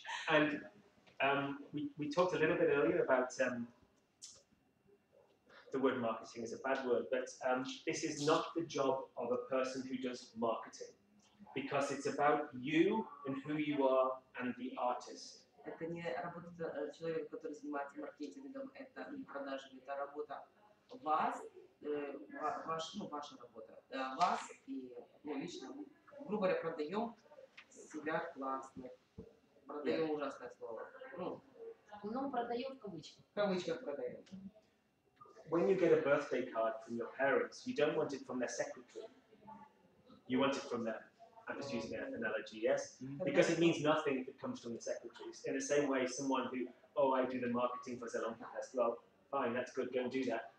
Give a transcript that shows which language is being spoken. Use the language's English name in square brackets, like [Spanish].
[English] And we talked a little bit earlier about the word marketing is a bad word, but this is not the job of a person who does marketing, because it's about you and who you are and the artist. [Russian] Это не работа человека, который занимается маркетингом, это не продажи, это работа вас, ваш, ну, ваша работа, вас и, ну, лично, грубо говоря, продаем себя классно, продаем ужасное слово. Ну, продаем в кавычках. В кавычках продаем. [English] When you get a birthday card from your parents, you don't want it from their secretary. You want it from them. I'm just using an analogy, yes? Because it means nothing if it comes from the secretaries. In the same way, someone who, oh, I do the marketing for Zelyonka FEST, well, fine, that's good, go do that.